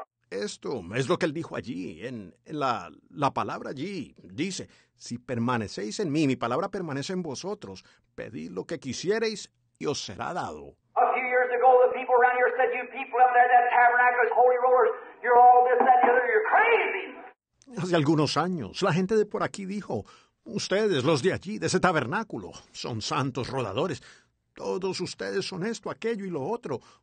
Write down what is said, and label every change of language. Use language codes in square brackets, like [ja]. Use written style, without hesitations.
[es] Esto es lo que él dijo allí, en la palabra allí. Dice, si permanecéis en mí, mi palabra permanece en vosotros, pedid lo que quisiereis y os será dado. [en] A few years ago, the people around here said, you people up there, that tabernacle is holy rollers, you're all this, that, and the other, you're crazy. [es] Hace algunos años, la gente de por aquí dijo, ustedes, los de allí, de ese tabernáculo, son santos rodadores. Todos ustedes son esto, aquello y lo otro.